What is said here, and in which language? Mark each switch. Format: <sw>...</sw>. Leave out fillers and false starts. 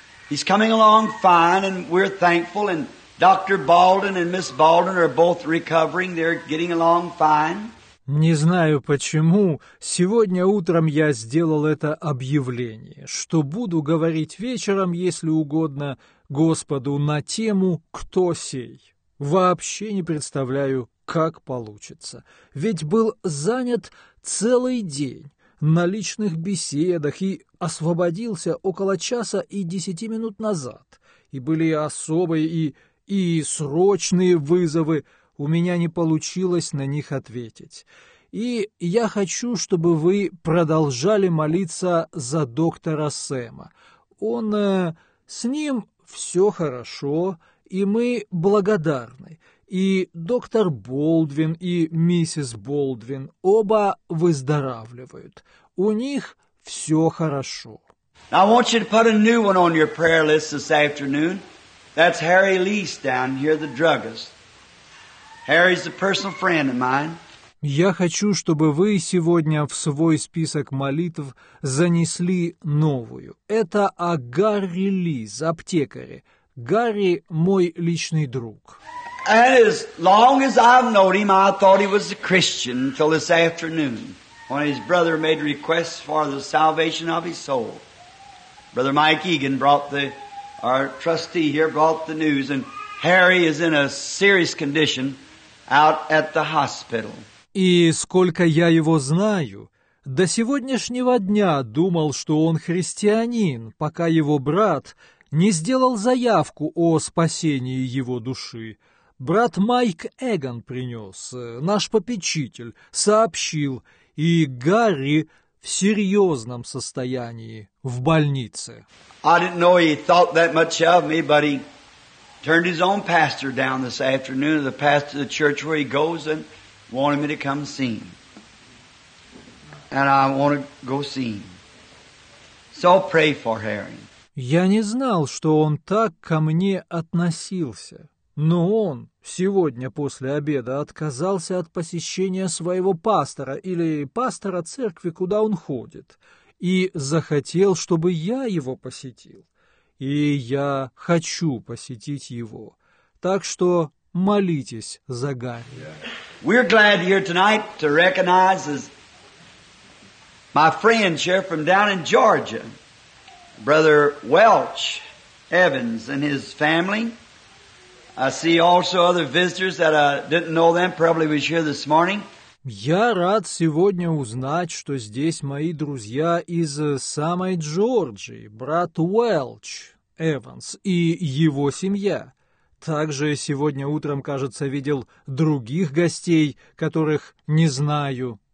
<en>He's coming along fine, and we're thankful, and Dr. Baldwin and Miss Baldwin are both recovering. They're getting along fine.</en> <ru>Не знаю почему, сегодня утром я сделал это объявление, что буду говорить вечером, если угодно, Господу на тему «Кто сей?». Вообще не представляю, как получится. Ведь был занят целый день на личных беседах и освободился около часа и 10 минут назад. И были особые и срочные вызовы, у меня не получилось на них ответить. И я хочу, чтобы вы продолжали молиться за доктора Сэма. Он с ним все хорошо, и мы благодарны. И доктор Болдвин, и миссис Болдвин оба выздоравливают. У них все хорошо.</ru> <en>I want you to put a new one on your prayer list this afternoon. That's Harry Lees down here, the druggist. Harry's a personal friend of mine.</en> <ru>Я хочу, чтобы вы сегодня в свой список молитв занесли новую. Это о Гарри Лиз, аптекаре. Гарри – мой личный друг.</ru> <en>And as long as I've known him, I thought he was a Christian until this afternoon when his brother made requests for the salvation of his soul. Brother Mike Egan brought our trustee here brought the news, and Harry is in a serious condition out at the hospital.</en> <ru>И сколько я его знаю, до сегодняшнего дня думал, что он христианин, пока его брат не сделал заявку о спасении его души. Брат Майк Эгган принес, наш попечитель, сообщил, и Гарри в серьезном состоянии, в больнице.</ru> <en>I didn't know he thought that much of me, but he turned his own pastor down this afternoon, the pastor of the church where he goes, and wanted me to come see him. And I want to go see him. So I'll pray for Harry.</en> <ru>Я не знал, что он так ко мне относился. Но он сегодня после обеда отказался от посещения своего пастора или пастора церкви, куда он ходит, и захотел, чтобы я его посетил. И я хочу посетить его. Так что молитесь за Гарри.</ru> <en>We're glad here tonight to recognize my friend here from down in Georgia, brother Welch Evans and his family. I see also other visitors that I didn't know them, probably was here this morning.</en> <ru>Я рад сегодня узнать, что здесь мои друзья из самой Джорджии, брат Уэлч Эванс и его семья. Также сегодня утром, кажется, видел других гостей, которых не знаю.</ru>